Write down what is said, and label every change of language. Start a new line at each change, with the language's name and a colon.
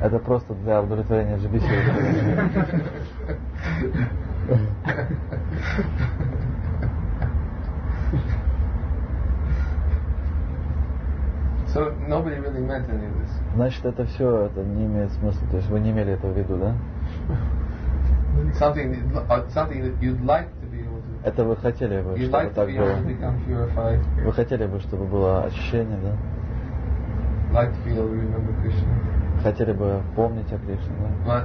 Russian: Это просто для удовлетворения GBC.
English: So nobody really meant any of this.
Russian: Значит, это все это не имеет смысла. То есть вы не имели это в виду, да?
English: Something that you'd like to be able to.
Russian: Это вы хотели бы,
English: you'd
Russian: чтобы
English: like
Russian: так было.
English: Purified.
Russian: Вы хотели бы, чтобы было ощущение, да?
English: Like to be able to remember Krishna.
Russian: Хотели бы помнить о Кришне, да?